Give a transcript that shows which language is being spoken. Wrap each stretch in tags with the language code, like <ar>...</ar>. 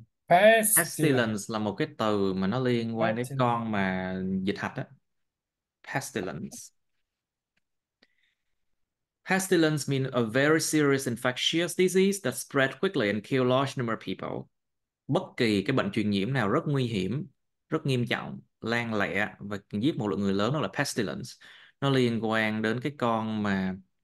<vi>Pestilence là một cái từ mà nó liên quan đến con mà dịch hạch á.</vi> <en>Pestilence means a very serious infectious disease that spread quickly and kill large number of people.</en> <vi>Bất kỳ cái bệnh truyền nhiễm nào rất nguy hiểm, rất nghiêm trọng, lan lẹ và giết một lượng người lớn, đó là pestilence. Nó liên quan đến cái con mà</vi>